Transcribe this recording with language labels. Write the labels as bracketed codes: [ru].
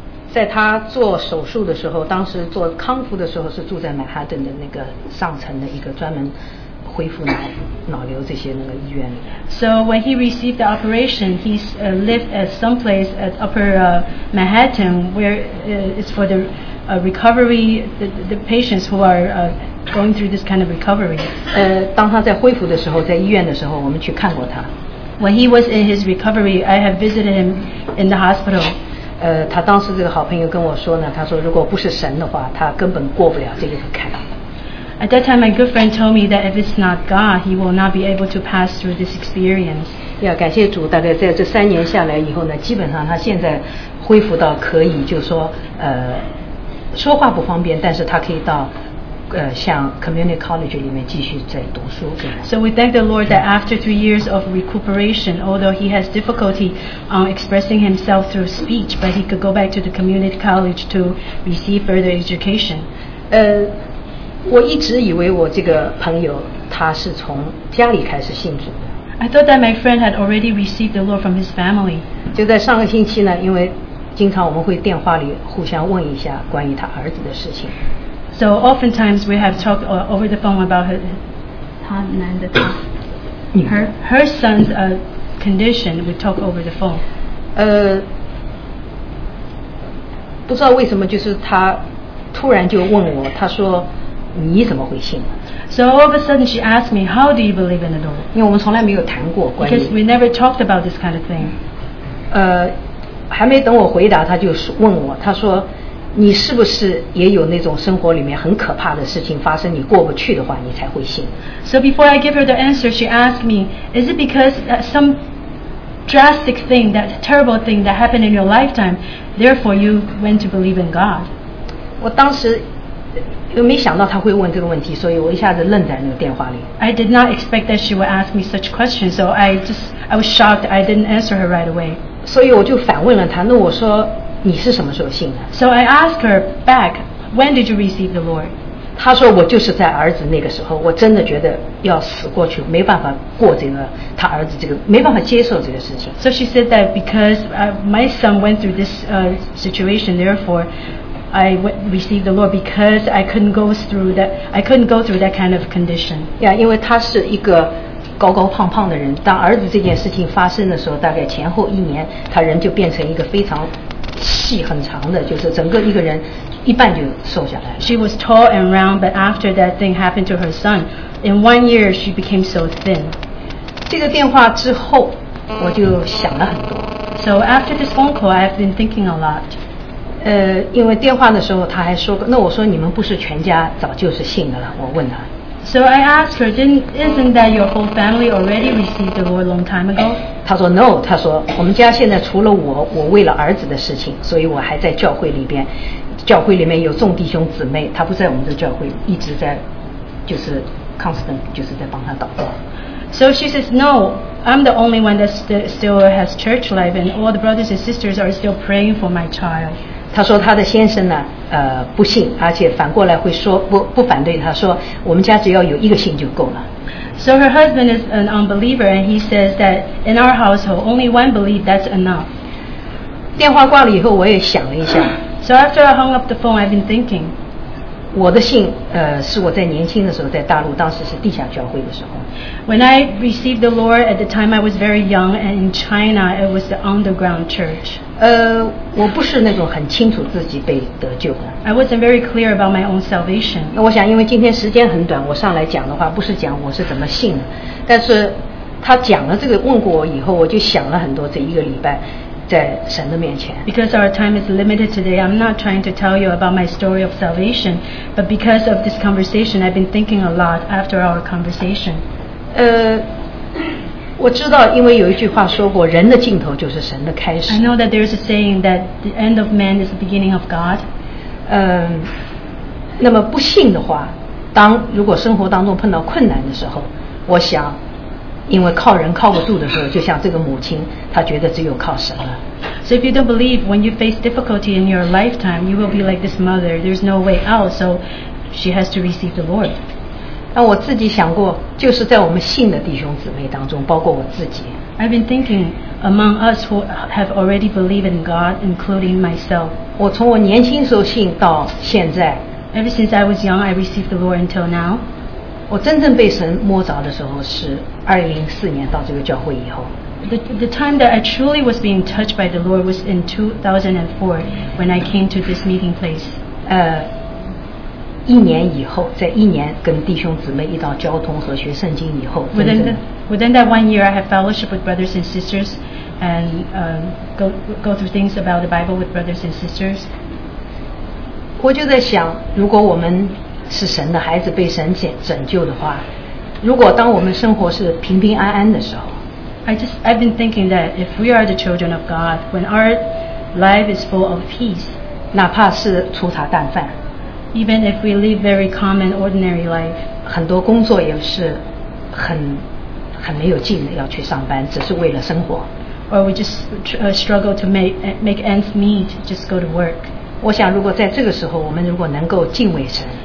[zh] 在他做手术的时候，当时做康复的时候，是住在曼哈顿的那个上层的一个专门恢复脑瘤这些那个医院里。 [en] So when he received the operation, he's lived at some place at Upper Manhattan, where it's for the. Recovery, the patients who are going through this kind of recovery. [zh] 当他在恢复的时候，在医院的时候，我们去看过他。 [en] When he was in his recovery, I have visited him in the hospital. [zh] 他当时这个好朋友跟我说呢，他说如果不是神的话，他根本过不了这个坎。 [en] At that time, my good friend told me that if it's not God, he will not be able to pass through this experience. [zh] 要感谢主，大概在这三年下来以后呢，基本上他现在恢复到可以，就说说话不方便，但是他可以到像 community college 里面继续在读书。 [en] So we thank the Lord that after 3 years of recuperation, although he has difficulty expressing himself through speech, but he could go back to the community college to receive further education. [zh] 我一直以为我这个朋友他是从家里开始信主的。 [en] I thought that my friend had already received the Lord from his family. [zh] 就在上个星期呢，因为经常我们会电话里互相问一下关于他儿子的事情。 [en] So oftentimes we have talked over the phone about her, [zh] 他男的他 [en] her son's condition. We talk over the phone. [zh] 不知道为什么，就是他突然就问我，他说你怎么会信？ [en] So all of a sudden she asked me, "How do you believe in the Lord?" [zh] 因为我们从来没有谈过关于。 [en] Because we never talked about this kind of thing. [zh] 还没等我回答，他就问我，他说你是不是也有那种生活里面很可怕的事情发生，你过不去的话你才会信。 [en] So before I give her the answer, she asked me, is it because some drastic thing, that terrible thing that happened in your lifetime, therefore you went to believe in God? [zh] 我当时又没想到他会问这个问题，所以我一下子愣在那个电话里。 [en] I did not expect that she would ask me such questions, so I was shocked I didn't answer her right away. [zh] 所以我就反问了他，那我说你是什么时候信的？ [en] So I asked her back, when did you receive the Lord? [zh] 他说我就是在儿子那个时候，我真的觉得要死过去，没办法过这个他儿子这个，没办法接受这个事情。 [en] So she said that because my son went through this situation, therefore I received the Lord because I couldn't go through that kind of condition. [zh] Yeah, 因为他是一个高高胖胖的人，当儿子这件事情发生的时候，大概前后一年，他人就变成一个非常细很长的，就是整个一个人一半就瘦下来了。 [en] She was tall and round, but after that thing happened to her son, in 1 year she became so thin. [zh] 这个电话之后，我就想了很多。 [en] So after this phone call, I've been thinking a lot. [zh] 因为电话的时候他还说过，那我说你们不是全家早就是信的了？我问他。 [en] So I asked her, isn't that your whole family already received the Lord a long time ago? [zh] 她说 no, 她说我们家现在除了我，我为了儿子的事情，所以我还在教会里边，教会里面有众弟兄姊妹，他不在我们的教会，一直在就是 constant 就是在帮他祷告。 [en] So she says, no, I'm the only one that still has church life, and all the brothers and sisters are still praying for my child. [zh] 她说她的先生呢，不信，而且反过来会说不反对，她说我们家只要有一个信就够了。 [en] So her husband is an unbeliever, and he says that in our household, only one belief, that's enough. [zh] 电话挂了以后，我也想了一下， [en] So after I hung up the phone, I've been thinking. [zh] 我的信，是我在年轻的时候在大陆，当时是地下教会的时候。 [en] When I received the Lord at the time, I was very young, and in China, it was the underground church. [zh] 我不是那种很清楚自己被得救的。 [en] I wasn't very clear about my own salvation. [zh] 我想，因为今天时间很短，我上来讲的话，不是讲我是怎么信的，但是他讲了这个，问过我以后，我就想了很多，这一个礼拜。 [en] Because our time is limited today, I'm not trying to tell you about my story of salvation, but because of this conversation, I've been thinking a lot after our conversation. [zh] 我知道，因为有一句话说过，人的尽头就是神的开始。 [en] I know that there is a saying that the end of man is the beginning of God. [zh] 那么不信的话，当如果生活当中碰到困难的时候，我想。因为靠人靠不住的时候，就像这个母亲，她觉得只有靠神了。 [en] So if you don't believe, when you face difficulty in your lifetime, you will be like this mother. There's no way out, so she has to receive the Lord. [zh] 那我自己想过，就是在我们信的弟兄姊妹当中，包括我自己。 [en] I've been thinking among us who have already believed in God, including myself. [zh] 我从我年轻时候信到现在。 [en] Ever since I was young, I received the Lord until now. [zh] 我真正被神摸着的时候是2004年到这个教会以后。 [en] The time that I truly was being touched by the Lord was in 2004 when I came to this meeting place. [zh] 一年以后，在一年跟弟兄姊妹一道交通和学圣经以后。 [en] Within that 1 year, I had fellowship with brothers and sisters, and go through things about the Bible with brothers and sisters. [zh] 我就在想，如果我们是神的孩子被神拯救的话，如果当我们生活是平平安安的时候 [en] I've been thinking that if we are the children of God, when our life is full of peace, [zh] 哪怕是粗茶淡饭， [en] even if we live very common ordinary life, [zh] 很多工作也是很没有劲的要去上班，只是为了生活， [en] or we just struggle to make ends meet, just go to work. [zh] 我想如果在这个时候我们如果能够敬畏神，